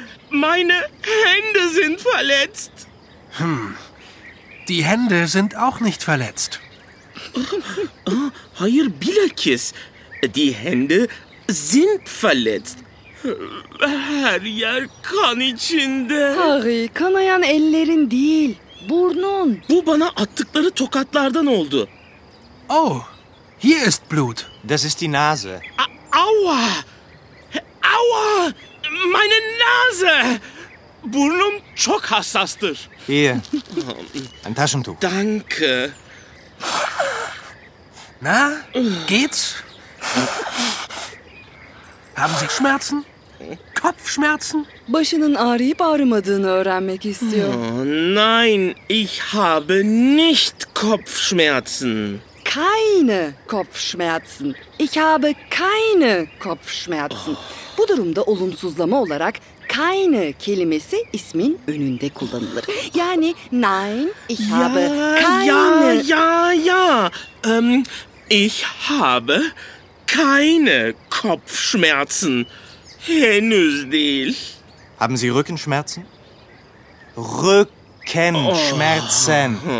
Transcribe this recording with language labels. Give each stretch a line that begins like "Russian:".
German: Meine Hände sind verletzt. Die Hände sind auch nicht verletzt.
Turkish: Hayır, bilakis.
German: Die Hände sind verletzt.
Turkish: Her yer kan içinde. Harry, kanayan ellerin değil, burnun. Bu bana attıkları tokatlardan oldu.
German: Oh, hier ist Blut. Das ist die Nase. Aua! Aua! Meine Nase!
Turkish: Burnum çok hassastır.
German: Hier. Ein Taschentuch. Danke. Na, geht's? Haben Sie Schmerzen? Kopfschmerzen? Başının ağrıyıp ağrımadığını öğrenmek istiyor. Nein, ich habe nicht Kopfschmerzen. Keine Kopfschmerzen. Ich habe keine Kopfschmerzen.
Turkish: Bu durumda olumsuzlama olarak keine kelimesi ismin önünde kullanılır.
German: Yani nein, ich habe keine. Ich habe keine Kopfschmerzen.
Turkish: Henüz değil.
German: Haben Sie Rückenschmerzen? Rückenschmerzen.